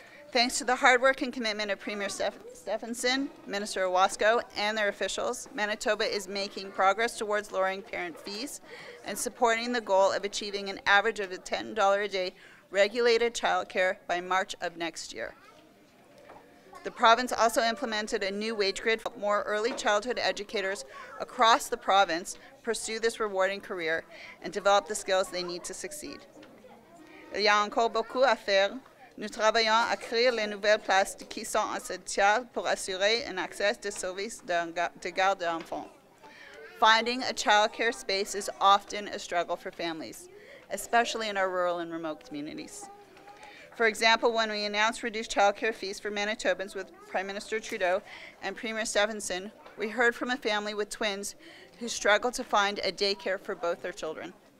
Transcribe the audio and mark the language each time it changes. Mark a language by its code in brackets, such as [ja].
[en] Thanks to the hard work and commitment of Premier Stefanson, Minister Ewasko, and their officials, Manitoba is making progress towards lowering parent fees and supporting the goal of achieving an average of $10 a day regulated childcare by March of next year. The province also implemented a new wage grid for more early childhood educators across the province pursue this rewarding career and develop the skills they need to succeed. [fr] Il y a encore beaucoup à faire. Nous travaillons à créer les nouvelles places qui sont essentielles pour assurer un accès de services de garde d'enfants. [en] Finding a childcare space is often a struggle for families, especially in our rural and remote communities. For example, when we announced reduced childcare fees for Manitobans with Prime Minister Trudeau and Premier Stefanson, we heard from a family with twins who struggled to find a daycare for both their children.